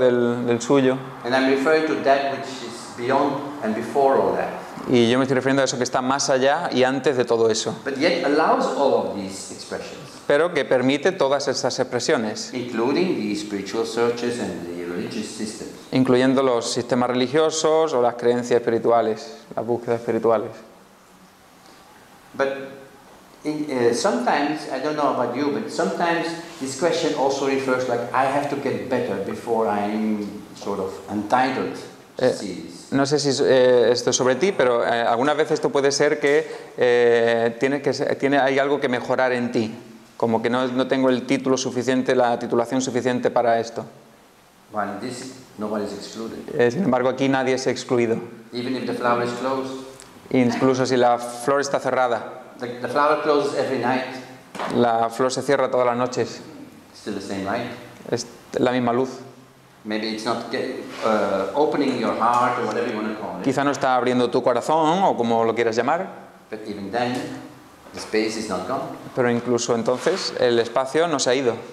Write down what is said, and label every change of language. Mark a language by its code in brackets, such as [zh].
[en] And I'm referring to that which is beyond and before all that. [es] Y yo me estoy refiriendo a eso que está más allá y antes de todo eso. [en] But yet allows all of these expressions. [es] Pero que permite todas estas expresiones, [en] including the spiritual searches and the religious systems. [es] Incluyendo los sistemas religiosos o las creencias espirituales, las búsquedas espirituales. [en] But sometimes, I don't know about you, but sometimes this question also refers like I have to get better before I'm sort of entitled to see this. [es] No sé si esto es sobre ti, pero algunas veces esto puede ser que hay algo que mejorar en ti, como que no tengo el título suficiente, la titulación suficiente para esto. [en] Well, this, nobody is excluded. [es] Sin embargo, aquí nadie es excluido. [en] Even if the flower is closed. [es] Incluso si la flor está cerrada. [en] The flower closes every night. [es] La flor se cierra todas las noches. [en] Still the same light. [es] Es la misma luz. [en] Maybe it's not opening your heart or whatever you want to call it. [es] Quizá no está abriendo tu corazón o como lo quieras llamar. [en] But even then, the space is not gone. [es] Pero incluso entonces el espacio no se ha ido.